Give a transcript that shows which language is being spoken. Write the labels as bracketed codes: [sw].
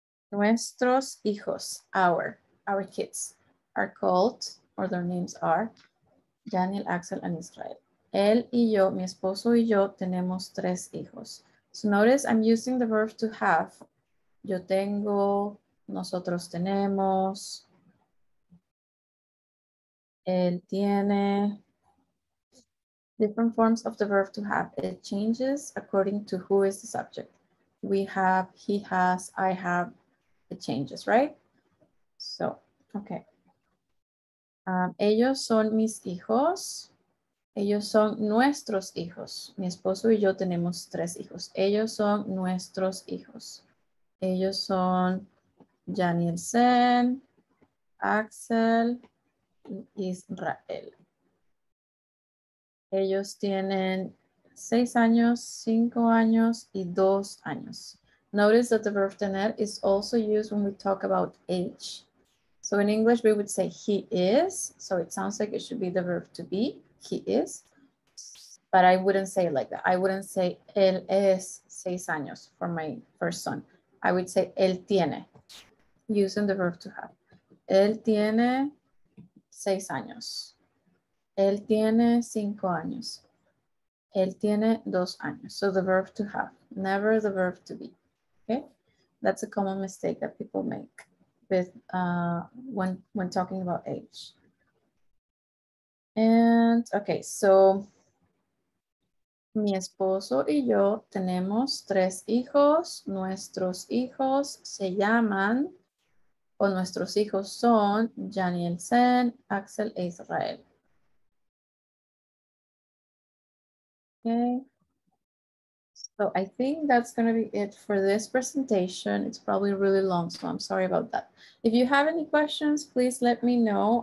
[en] Nuestros hijos, our kids, are called, or their names are Daniel, Axel, and Israel. [es] Él y yo, mi esposo y yo, tenemos tres hijos. [en] So notice I'm using the verb to have. [es] Yo tengo, nosotros tenemos, él tiene. [en] Different forms of the verb to have. It changes according to who is the subject. We have, he has, I have. It changes, right? [es] So, okay. Ellos son mis hijos. Ellos son nuestros hijos. Mi esposo y yo tenemos tres hijos. Ellos son nuestros hijos. Ellos son Daniel Sen, Axel y Israel. Ellos tienen 6 años, 5 años y 2 años. [en] Notice that the verb tener is also used when we talk about age. So in English, we would say he is. So it sounds like it should be the verb to be. He is, but I wouldn't say it like that. I wouldn't say él es 6 años for my first son. I would say él tiene, using the verb to have. [es] Él tiene 6 años. Él tiene 5 años. [en] Él tiene 2 años. So the verb to have, never the verb to be. Okay, that's a common mistake that people make with when talking about age. [es] And okay, so mi esposo y yo tenemos tres hijos. Nuestros hijos se llaman, o nuestros hijos son Daniel Sen, Axel e Israel. [en] So I think that's going to be it for this presentation. It's probably really long, so I'm sorry about that. If you have any questions, please let me know.